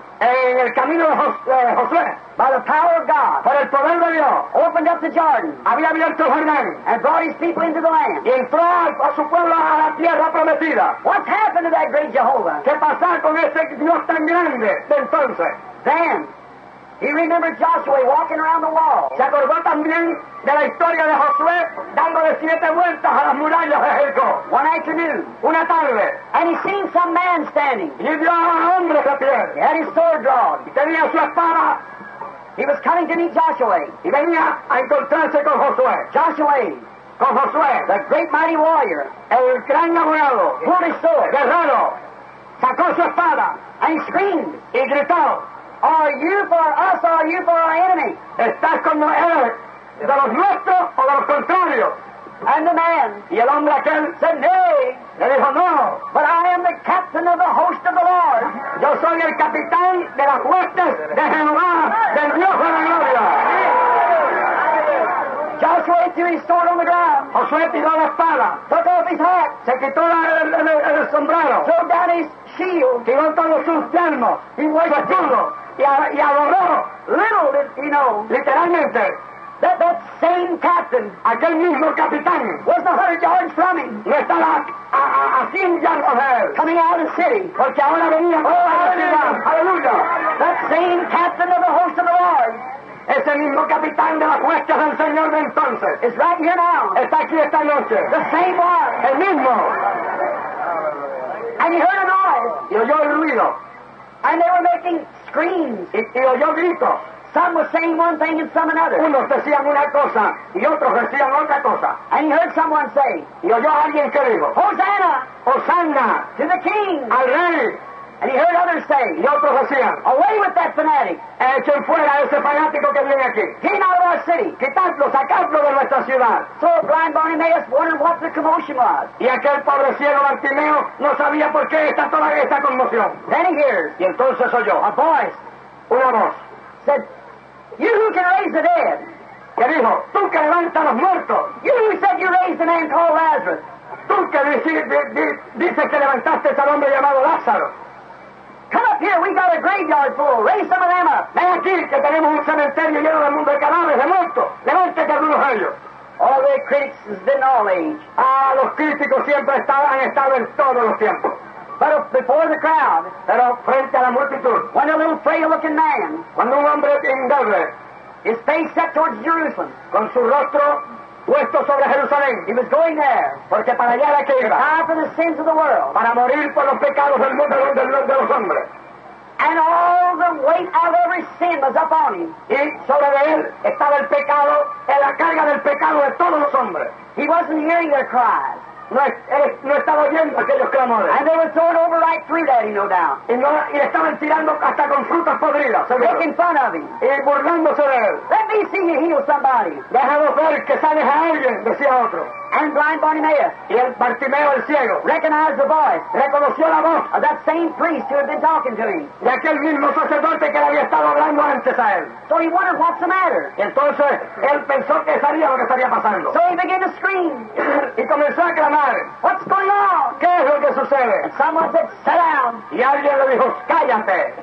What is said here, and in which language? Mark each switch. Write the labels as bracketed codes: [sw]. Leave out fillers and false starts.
[es] en el camino de Josué. [en] By the power of God. [es] Por el poder de Dios. [en] Opened up the Jordan. [es] Había abierto el Jordán. [en] And brought his people into the land. [es] Y entró a su pueblo a la tierra prometida. [en] What's happened to that great Jehovah? [es] ¿Qué pasó con ese Dios tan grande de entonces? [en] Then, he remembered Joshua walking around the wall. [es] ¿Se acordó también de la historia de Josué dándole siete vueltas a las murallas de Jericó? [en] One afternoon. [es] Una tarde. [en] And he seen some man standing. [es] Y vio a un hombre de pie. [en] He had his sword drawn. [es] Y tenía su espada. [en] He was coming to meet Joshua. [es] Y venía a encontrarse con Josué. [en] Joshua. [es] Con Josué. [en] The great mighty warrior. [es] El gran abogado. [en] Pulled his sword. [es] Guerrero. Sacó su espada. [en] And he screamed. [es] Y gritó. [en] Are you for us or are you for our enemy? [es] ¿Estás con nosotros, de los nuestros o de los contrarios? [en] And the man, [es] y el hombre aquel, [en] said, nay. [es] Le dijo, no. [en] But I am the captain of the host of the Lord. [es] Yo soy el capitán de las huestes de Jehová, del Dios de la gloria. [en] Joshua threw his sword on the ground. [es] Josué tiró la espada. [en] Took off his hat. [es] Se quitó el sombrero. [en] Threw down his shield. [es] Tiró todos sus yelmos. [en] He worshipped him. [es] Y adoró. [en] Little did he know. [es] Literalmente. [en] That same captain. [es] Aquel mismo capitán. [en] Was 100 yards from him. [es] No estaba a 100 [en] yards of [es] él. [en] Coming out of the city. [es] Porque ahora venía. [en] Oh, hallelujah. [es] Hallelujah. [en] That same captain of the host of the Lord. [es] Ese mismo capitán de las huestes del Señor de entonces. [en] Is right here now. [es] Está aquí esta noche. [en] The same one. [es] El mismo. [en] And he heard a noise. [es] Y oyó el ruido. [en] And they were making screams. [es] Y oyó gritos. [en] Some were saying one thing and some another. [es] Unos decían una cosa y otros decían otra cosa. [en] And he heard someone say. [es] Y oyó alguien que dijo. [en] Hosanna. [es] Hosanna. [en] To the king. [es] Al rey. [en] And he heard others say, [es] y otros decían, [en] away with that fanatic. [es] Echen fuera ese fanático que viene aquí. [en] Get out of our city. [es] Quitadlo, sacadlo de nuestra ciudad. [en] So blind Bartimeus wondered what the commotion was. [es] Y aquel pobre ciego Bartimeo no sabía por qué está toda esta conmoción. [en] Then he hears, [es] y entonces oyó, [en] a voice, [es] una voz, [en] said, you who can raise the dead. [es] Que dijo, tú que levantas los muertos. [en] You who said you raised the man called Lazarus. [es] Tú que dices que levantaste al hombre llamado Lázaro. [en] Come up here, we got a graveyard full. Raise some of them up. [es] Ven aquí, que tenemos un cementerio lleno de mundo de cadáveres, de muertos. Levántate algunos de ellos. [en] All the critics has been all age. [es] Ah, los críticos siempre han estado en todos los tiempos. [en] But before the crowd. [es] Pero frente a la multitud. [en] When a little frail looking man. [es] Cuando un hombre indeble. [en] His face set towards Jerusalem. [es] Con su rostro puesto sobre Jerusalén. [en] He was going there. [es] Porque para allá era que iba. [en] To die for the sins of the world. [es] Para morir por los pecados del mundo de los hombres. [en] And all the weight of every sin was upon him. [es] Y sobre él estaba el pecado, la carga del pecado de todos los hombres. [en] He wasn't hearing their cries. [es] No estaba oyendo aquellos clamores. [en] And they were throwing over right through that, no doubt. [es] Y estaban tirando hasta con frutas podridas. [en] Making fun of him. [es] Y burlándose de él. [en] Let me see you heal somebody. [es] Déjalo ver que sanes a alguien, decía otro. [en] And blind Bartimeus. [es] Y el Bartimeo el ciego. [en] Recognized the voice. [es] Reconoció la voz. [en] Of that same priest who had been talking to him. [es] De aquel mismo sacerdote que le había estado hablando antes a él. [en] So he wondered what's the matter. [es] Y entonces él pensó que sabía lo que estaría pasando. [en] So he began to scream. [es] Y comenzó a clamar. [en] What's going on? [es] ¿Qué es lo que sucede? [en] And someone said, sit down. [es] Y alguien le dijo, cállate.